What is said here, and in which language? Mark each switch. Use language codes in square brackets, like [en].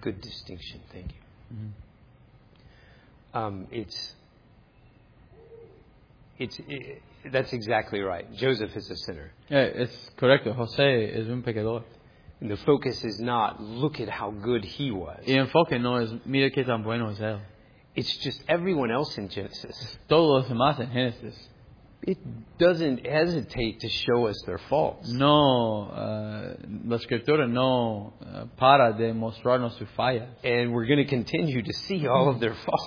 [en] Good distinction. Thank you. Mm-hmm. That's exactly right. Joseph is a sinner. Yeah, it's [es] correcto. José es un pecador. [en] And the focus is not look at how good he was. [es] Y el enfoque no es mira qué tan bueno es él. [en] It's just everyone else in Genesis. [es] Todos los demás en Génesis. [en] It doesn't hesitate to show us their faults. [es] No, la escritura no para de mostrarnos sus fallas. [en] And we're going to continue to see all of their faults.